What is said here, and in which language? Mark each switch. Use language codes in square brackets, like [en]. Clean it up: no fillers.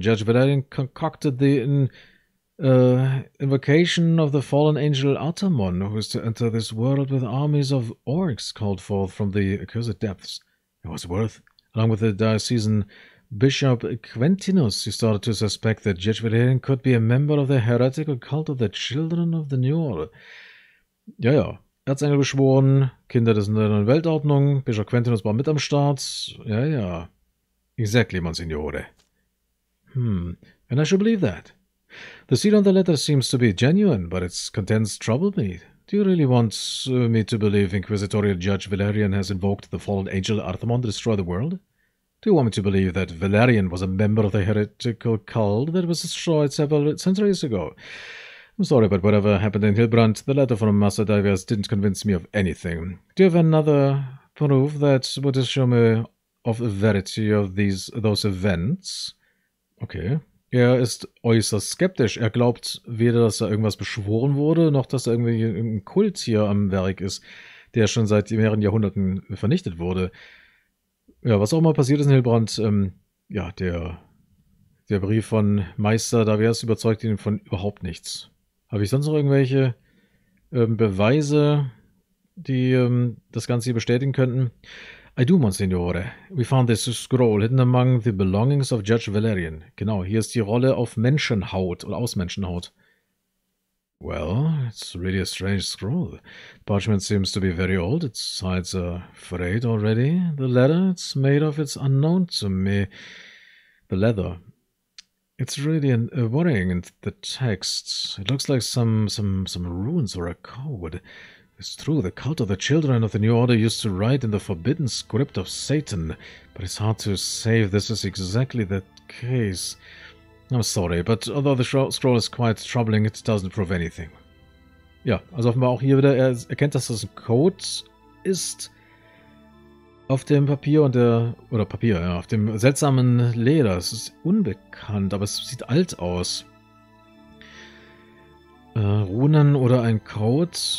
[en] Judge Valerian concocted the invocation of the fallen angel Artamon, who is to enter this world with armies of orcs called forth from the accursed depths. It was worth, along with the diocesan Bishop Quintinus, he started to suspect that Judge Valerian could be a member of the heretical cult of the Children of the New World. [de] Ja. Erzengel beschworen, Kinder des neuen Weltordnung, Bischof Quintinus war mit am Start. [en] Ja. Exactly, Monsignore. And I should believe that. The seal on the letter seems to be genuine, but its contents trouble me. Do you really want me to believe Inquisitorial Judge Valerian has invoked the fallen angel Artamon to destroy the world? Do you want me to believe that Valerian was a member of the heretical cult that was destroyed several centuries ago? I'm sorry, but whatever happened in Hillbrand, the letter from Master Davias didn't convince me of anything. Do you have another proof that would assure me of the verity of those events? [de] Okay. Er ist äußerst skeptisch. Er glaubt weder, dass da irgendwas beschworen wurde, noch dass da irgendwie ein Kult hier am Werk ist, der schon seit mehreren Jahrhunderten vernichtet wurde. Ja, was auch mal passiert ist in Hillbrand, ja, der Brief von Meister Davias überzeugt ihn von überhaupt nichts. Habe ich sonst noch irgendwelche Beweise, die das Ganze hier bestätigen könnten? [en] I do, Monsignore. We found this scroll hidden among the belongings of Judge Valerian. [de] Genau, hier ist die Rolle auf Menschenhaut oder aus Menschenhaut. [en] Well, it's really a strange scroll. Parchment seems to be very old. Its sides are frayed already. The leather it's made of is unknown to me. The leather. It's really worrying in the text. It looks like some runes or a code. It's true, the cult of the Children of the New Order used to write in the forbidden script of Satan, but it's hard to say if this is exactly the case. I'm sorry, but although the scroll is quite troubling, it doesn't prove anything. [de] Ja, also offenbar auch hier wieder, er erkennt, dass das ein Code ist. Auf dem Papier und der, oder Papier, ja, auf dem seltsamen Leder. Es ist unbekannt, aber es sieht alt aus. Runen oder ein Code?